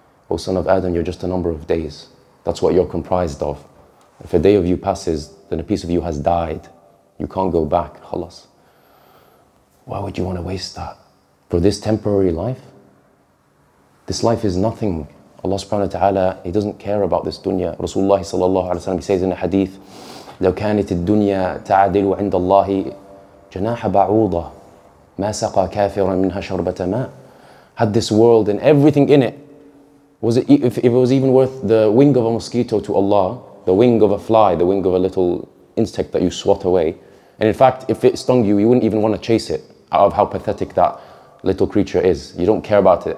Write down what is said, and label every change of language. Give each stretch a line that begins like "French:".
English: O son of Adam, you're just a number of days. That's what you're comprised of. If a day of you passes, then a piece of you has died. You can't go back. Khalas. Why would you want to waste that? For this temporary life? This life is nothing. Allah subhanahu wa ta'ala, He doesn't care about this dunya.
Arabic: Rasulullah sallallahu alayhi wa sallam,
English: He says in a hadith,
Arabic: لَوْ كَانِتِ الدُّنْيَا تَعَدِلُ عِنْدَ اللَّهِ جَنَاحَ بَعُوضَ مَا سَقَى كَافِرًا مِنْهَا شَرْبَةَ مَا.
English: Had this world and everything in it, was it, if it was even worth the wing of a mosquito to Allah, the wing of a fly, the wing of a little insect that you swat away, and in fact, if it stung you, you wouldn't even want to chase it out of how pathetic that little creature is. You don't care about it.